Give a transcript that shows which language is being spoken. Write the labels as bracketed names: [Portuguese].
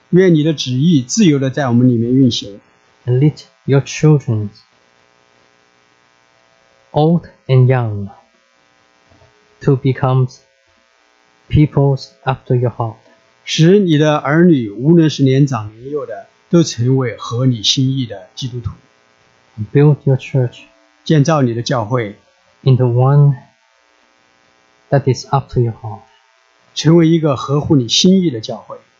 [Chinese] 愿你的旨意自由地在我们里面运行。 [English] And lead your children, old and young, to become peoples after your heart. [Chinese] 使你的儿女，无论是年长年幼的，都成为合你心意的基督徒。 [English] Build your church, [Chinese] 建造你的教会, [English] into one that is after your heart. [Chinese] 成为一个合乎你心意的教会。